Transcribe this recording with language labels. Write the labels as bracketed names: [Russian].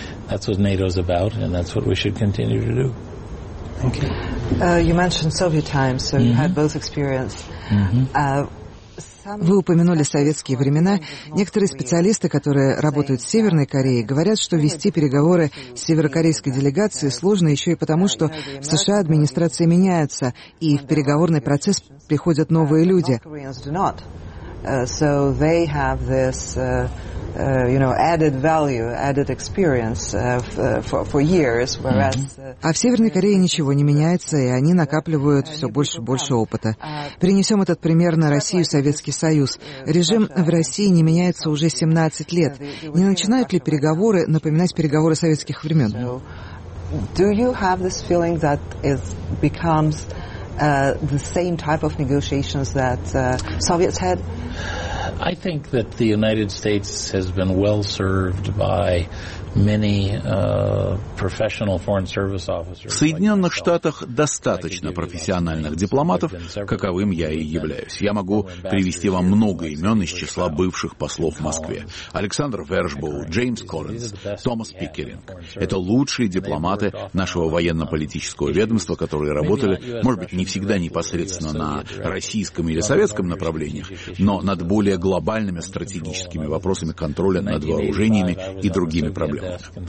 [English] That's what NATO's about, and that's what we should continue to do. Thank you. You mentioned Soviet times, so you had both experience. [Russian] Вы упомянули советские времена. Некоторые специалисты, которые работают в Северной Корее, говорят, что вести переговоры с северокорейской делегацией сложно еще и потому, что в США администрации меняются, и в переговорный процесс приходят новые люди. А в Северной Корее ничего не меняется, и они накапливают все больше и больше опыта. Принесем этот пример на Россию, Советский Союз. Режим в России не меняется уже 17 лет. Не начинают ли переговоры напоминать переговоры советских времен? Do you have this feeling that it becomes the same type of negotiations that Soviets had? I think that the United States has been well served by many professional foreign service officers. В Соединенных Штатах достаточно профессиональных дипломатов, каковым я и являюсь. Я могу привести вам много имен из числа бывших послов в Москве. Александр Вершбоу, Джеймс Коллинз, Томас Пикеринг. Это лучшие дипломаты нашего военно-политического ведомства, которые работали, может быть, не всегда непосредственно на российском или советском направлениях, но над более глобальными стратегическими вопросами контроля над вооружениями и другими проблемами.